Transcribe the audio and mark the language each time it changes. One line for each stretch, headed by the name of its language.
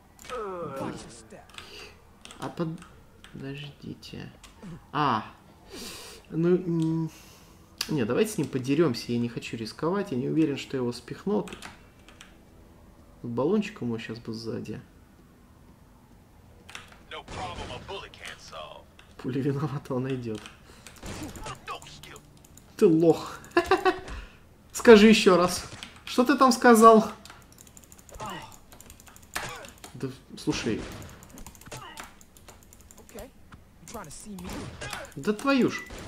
Russian: А подождите. А! Ну... Не, давайте с ним подеремся, я не хочу рисковать, я не уверен, что его спихнут. Баллончик ему сейчас бы сзади.
English: No problem, a bullet can't solve.
Russian: Пуля виновата, он найдет. Ты лох. Скажи еще раз, что ты там сказал? Да, слушай. Okay. Да твою ж.